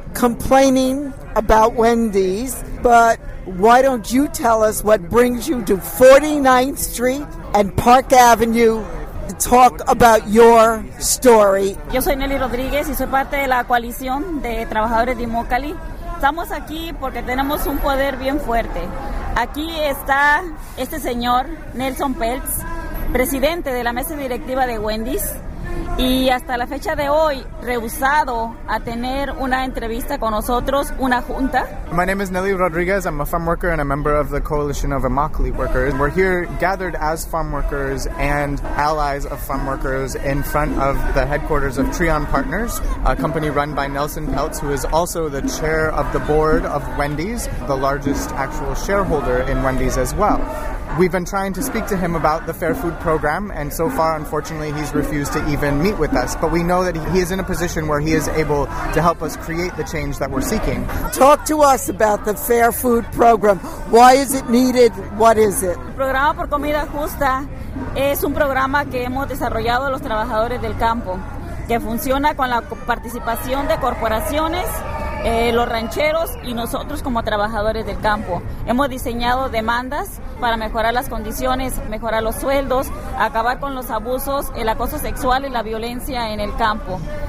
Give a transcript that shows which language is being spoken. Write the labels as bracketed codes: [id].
[en] complaining about Wendy's, but why don't you tell us what brings you to 49th Street and Park Avenue to talk about your story? [es] Yo soy Nelly Rodriguez y soy parte de la coalición de trabajadores de Immokalee. Estamos aquí porque tenemos un poder bien fuerte. Aquí está este señor, Nelson Peltz, presidente de la mesa directiva de Wendy's, y hasta la fecha de hoy, rehusado a tener una entrevista con nosotros, una junta. [en] My name is Nelly Rodriguez. I'm a farm worker and a member of the Coalition of Immokalee Workers. We're here gathered as farm workers and allies of farm workers in front of the headquarters of Trion Partners, a company run by Nelson Peltz, who is also the chair of the board of Wendy's, the largest actual shareholder in Wendy's as well. We've been trying to speak to him about the Fair Food Program, and so far, unfortunately, he's refused to even meet with us. But we know that he is in a position where he is able to help us create the change that we're seeking. Talk to us about the Fair Food Program. Why is it needed? What is it? [es] El programa por comida justa es un programa que hemos desarrollado los trabajadores del campo, que funciona con la participación de corporaciones, los rancheros y nosotros como trabajadores del campo. Hemos diseñado demandas para mejorar las condiciones, mejorar los sueldos, acabar con los abusos, el acoso sexual y la violencia en el campo.